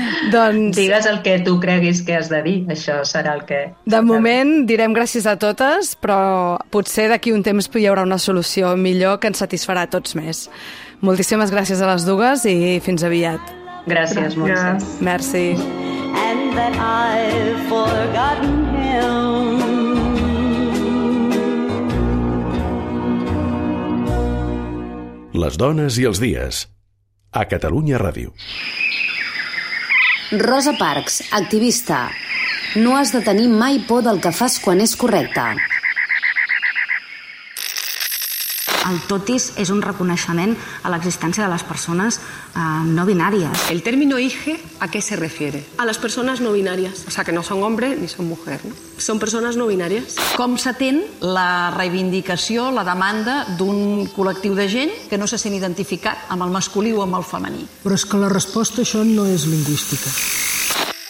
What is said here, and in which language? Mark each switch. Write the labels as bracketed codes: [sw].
[ca] Doncs, digues el que tu creguis que has de dir, això serà el que... De moment direm gràcies a totes, però potser d'aquí un temps hi haurà una solució millor que ens satisfarà a tots més. Moltíssimes gràcies a les dues i fins aviat. Gràcies, Montse. Merci. [en] And that I've forgotten him. [ca] Les dones i els dies. A Catalunya Ràdio. Rosa Parks, activista. No has de tenir mai por del que fas quan és correcte. El totis és un reconeixement a l'existència de les persones no binàries. [es] El término hije, ¿a qué se refiere? [ca] A les persones no binàries. [es] O sea, que no [ca] són [es] hombre ni són mujer, no? [ca] Són persones no binàries. Com s'atén la reivindicació, la demanda d'un col·lectiu de gent que no se sent identificat amb el masculí o amb el femení? Però és que la resposta a això no és lingüística.